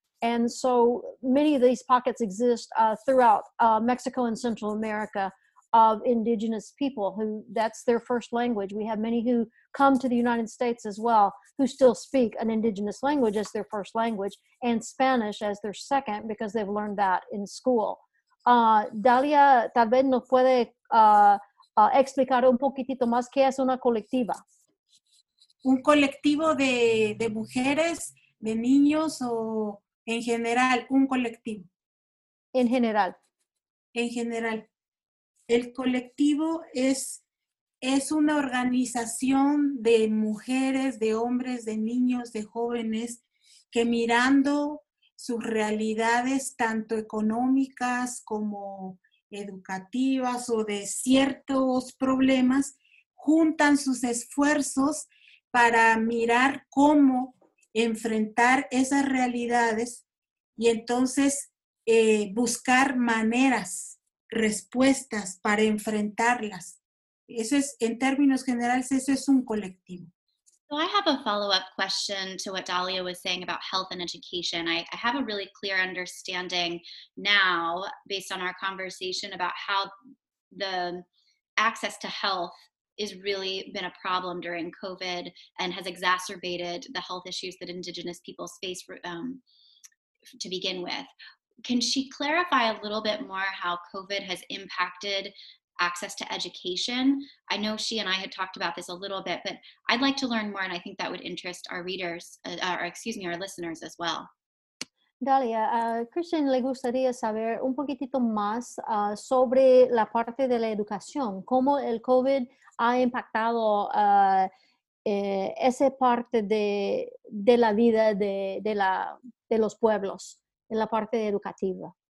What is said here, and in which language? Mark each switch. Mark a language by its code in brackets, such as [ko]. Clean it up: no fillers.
[en] And so many of these pockets exist throughout Mexico and Central America of indigenous people who that's their first language. We have many who come to the United States as well who still speak an indigenous language as their first language and Spanish as their second because they've learned that in school. [es] Dalia, tal vez nos puede explicar un poquitito más qué es una colectiva. Un colectivo de mujeres, de niños o en general, un colectivo. En general. En general. El colectivo es una organización de mujeres, de hombres, de niños, de jóvenes que mirando sus realidades tanto económicas como educativas o de ciertos problemas, juntan sus esfuerzos para mirar cómo enfrentar esas realidades y entonces buscar maneras, respuestas para enfrentarlas. Eso es, en términos generales, eso es un colectivo. [en] So I have a follow-up question to what Dalia was saying about health and education. I have a really clear understanding now, based on our conversation, about how the access to health is really been a problem during COVID and has exacerbated the health issues that Indigenous peoples face to begin with. Can she clarify a little bit more how COVID has impacted access to education? I know she and I had talked about this a little bit, but I'd like to learn more, and I think that would interest our readers, our listeners as well. [es] Dalia, a Christian le gustaría saber un poquitito más sobre la parte de la educación, cómo el COVID ha impactado esa parte de la vida de los pueblos, en la parte educativa.